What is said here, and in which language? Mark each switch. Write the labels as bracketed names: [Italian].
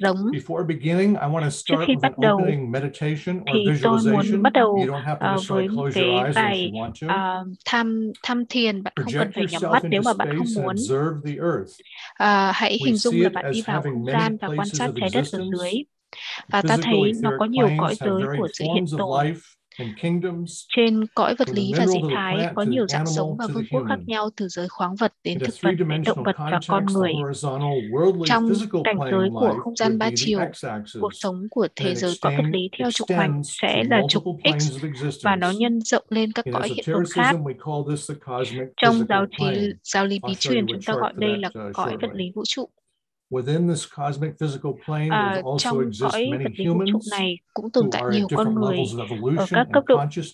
[English] Before beginning, I want to start with an opening meditation or visualization. You don't have to necessarily close your eyes if you want to. Project yourself into space and observe the earth. We see it as having many places of existence. [Vietnamese] Và ta thấy nó có nhiều cõi giới của sự hiện tồn. Trên cõi vật lý và dị thái có nhiều dạng sống và vương quốc khác nhau, từ giới khoáng vật đến thực vật, đến động vật và con người. Trong cảnh giới của không gian ba chiều, cuộc sống của thế giới cõi vật lý theo trục hoành sẽ là trục X và nó nhân rộng lên các cõi hiện tượng khác. Trong giáo lý bí truyền, chúng ta gọi đây là cõi vật lý vũ trụ. [English] Within this cosmic physical plane, there also exist many humans who are at different levels of evolution and consciousness.